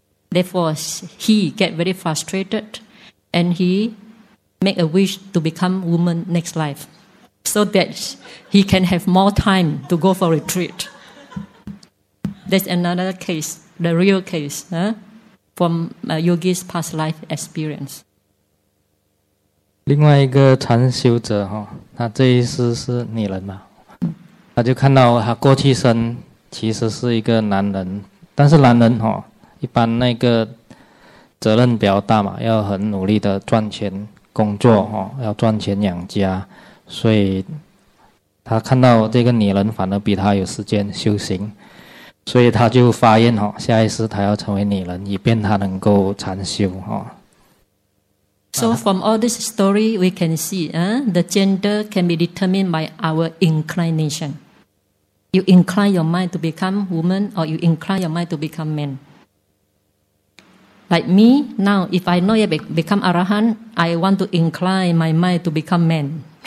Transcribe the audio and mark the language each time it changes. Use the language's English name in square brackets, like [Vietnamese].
[English] Therefore, he gets very frustrated and he makes a wish to become a woman next life so that he can have more time to go for retreat. That's another case, the real case, from a yogi's past life experience. [Chinese] 另外一个禅修者他这一世是女人嘛他就看到他过去生其实是一个男人但是男人一般那个责任比较大嘛要很努力的赚钱工作要赚钱养家所以他看到这个女人反而比他有时间修行所以他就发愿下一世他要成为女人以便他能够禅修 [English] So from all this story, we can see the gender can be determined by our inclination. You incline your mind to become woman or you incline your mind to become man. Like me, now, if I not yet become arahan, I want to incline my mind to become man.